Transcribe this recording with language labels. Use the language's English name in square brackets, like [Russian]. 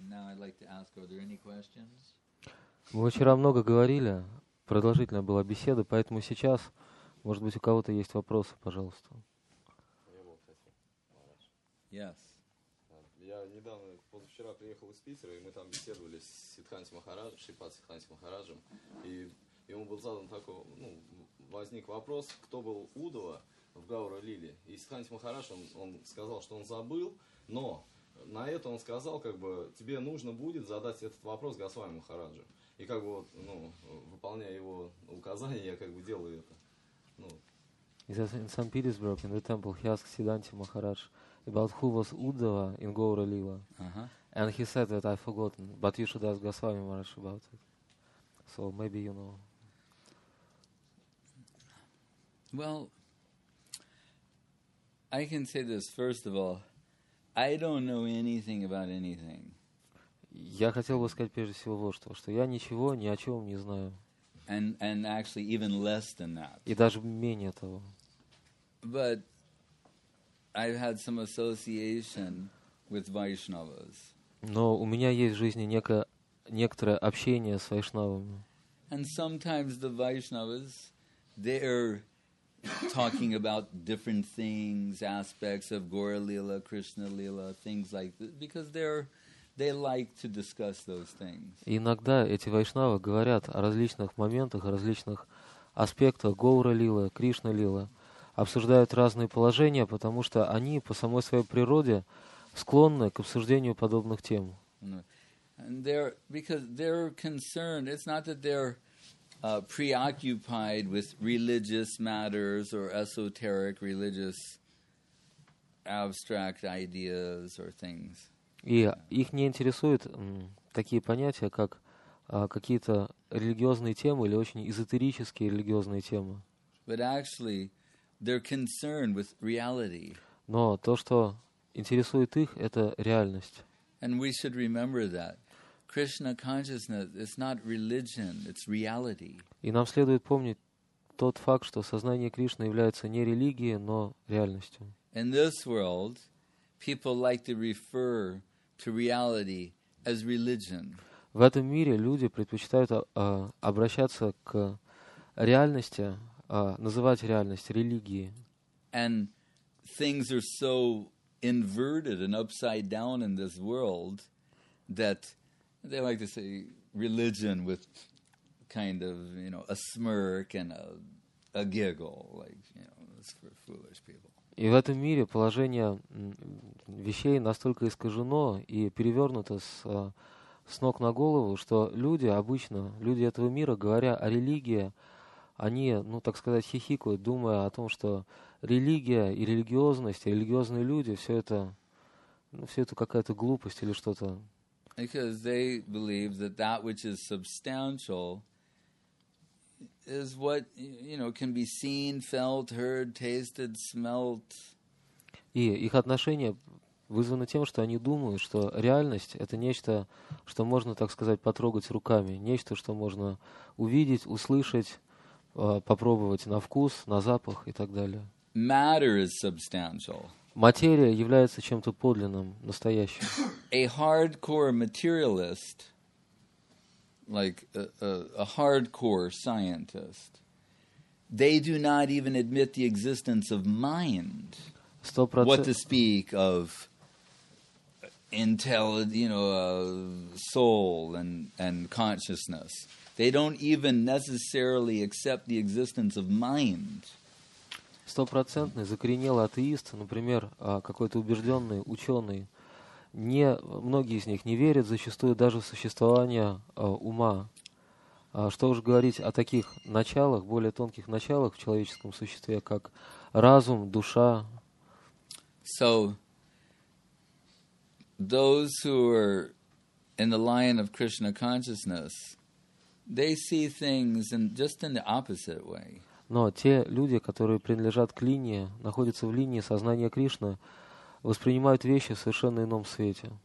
[English] Now I'd like to ask, are there any questions? [Russian] Мы вчера много говорили, продолжительная была беседа, поэтому сейчас, может быть, у кого-то есть вопросы, пожалуйста. [English] Yes. [Russian] Я недавно, позавчера приехал из Питера, и мы там беседовали с Сиддханти Махараджем, Шрипад Сиддханти Махараджем, и ему был задан такой, ну, возник вопрос, кто был Удова в Гаура-лиле. И Сиддханти Махарадж, он сказал, что он забыл, но на это он сказал, как бы, тебе нужно будет задать этот вопрос Госвами Махараджу. И как бы вот, ну, выполняя его указания, я как бы делаю это. Ну. [English] In St. Petersburg, in the temple, he asked Siddhanti Maharaj about who was Uddhava in Gaura Lila. Uh-huh. And he said that I've forgotten, but you should ask Goswami Maharaj about it. So maybe you know. Well, I can say this, first of all, I don't know anything about anything. [Russian] Я хотел бы сказать прежде всего вот что, что я ничего ни о чем не знаю. [English] And actually even less than that. [Russian] И даже менее того. [English] But I've had some association with Vaishnavas. [Russian] Но у меня есть в жизни некоторое общение с вайшнавами. [English] And sometimes the Vaishnavas, they're talking about different things, aspects of Gaura-lila, Krishna-lila, things like that, because they like to discuss those things. [Russian] Иногда эти вайшнавы говорят о различных моментах, о различных аспектах Гаура-лилы, Кришна-лилы, обсуждают разные положения, потому что они по самой своей природе склонны к обсуждению подобных тем. [English] And they're, because they're concerned, it's not that they're preoccupied with religious matters or esoteric religious abstract ideas or things. [Russian] И их не интересуют такие понятия, как какие-то религиозные темы или очень эзотерические религиозные темы. [English] But actually, they're concerned with reality. [Russian] Но то, что интересует их, это реальность. [English] And we should remember that. Krishna consciousness is not religion, it's reality. [Russian] И нам следует помнить тот факт, что сознание Кришны является не религией, но реальностью. [English] In this world, people like to refer to reality as religion. [Russian] В этом мире люди предпочитают обращаться к реальности, называть реальность религией. [English] And things are so inverted and upside down in this world that they like to say religion with kind of, you know, a smirk and a giggle, like, you know, it's for foolish people. [Russian] И в этом мире положение вещей настолько искажено и перевернуто с ног на голову, что люди обычно, люди этого мира, говоря о религии, они, ну, так сказать, хихикают, думая о том, что религия и религиозность, и религиозные люди, все это, ну, все это какая-то глупость или что-то. [English] Because they believe that that which is substantial is what, you know, can be seen, felt, heard, tasted, smelt. [Russian] И их отношение вызвано тем, что они думают, что реальность — это нечто, что можно, так сказать, потрогать руками, нечто, что можно увидеть, услышать, попробовать на вкус, на запах и так далее. [English] Matter is substantial. [Russian] Материя является чем-то подлинным, настоящим. [English] A hardcore materialist, like a hardcore scientist, they do not even admit the existence of mind. 100%. What to speak of intelligence, you know, soul and consciousness. They don't even necessarily accept the existence of mind. [Russian] 100% закоренелый атеист, например, какой-то убежденный ученый, не, многие из них не верят зачастую даже в существование ума. Что уж говорить о таких началах, более тонких началах в человеческом существе, как разум, душа. [English] So, those who are in the line of Krishna consciousness, they see things in just in the opposite way. [Russian] Но те люди, которые принадлежат к линии, находятся в линии сознания Кришны, воспринимают вещи в совершенно ином свете.